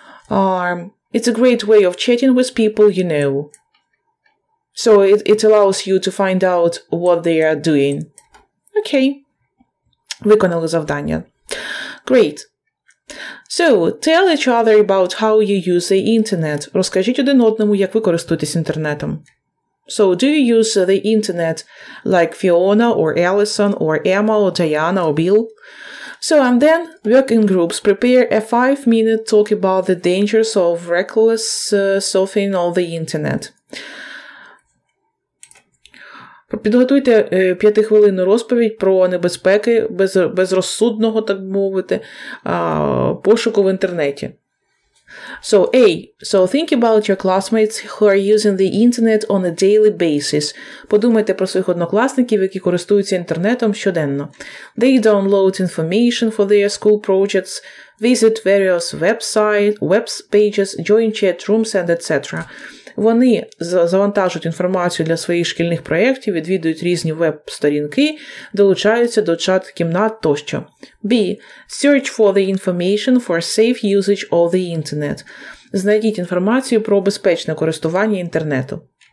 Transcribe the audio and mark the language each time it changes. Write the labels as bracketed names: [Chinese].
[English] It's a great way of chatting with people you know. So it allows you to find out what they are doing. Okay. [Ukrainian] Виконали завдання. [English] Great. So, tell each other about how you use the internet. [Ukrainian] Розкажіть один одному, як ви користуєтесь інтернетом. [English] So, do you use the internet like Fiona or Allison or Emma or Diana or Bill? So, and then, work in groups. Prepare a 5-minute talk about the dangers of reckless surfing on the internet. [Ukrainian] Підготуйте 5-хвилинну розповідь про небезпеки безрозсудного, так мовити, пошуку в інтернеті. [English] So, A. So, think about your classmates who are using the internet on a daily basis. [Ukrainian] Подумайте про своїх однокласників, які користуються інтернетом щоденно. [English] They download information for their school projects, visit various websites, web pages, join chat rooms and etc. [Ukrainian] Вони завантажують інформацію для своїх шкільних проєктів, відвідують різні веб-сторінки, долучаються до чат-кімнат тощо. [English] B. Search for the information for safe usage of the internet. [Ukrainian] Знайдіть інформацію про безпечне користування інтернету.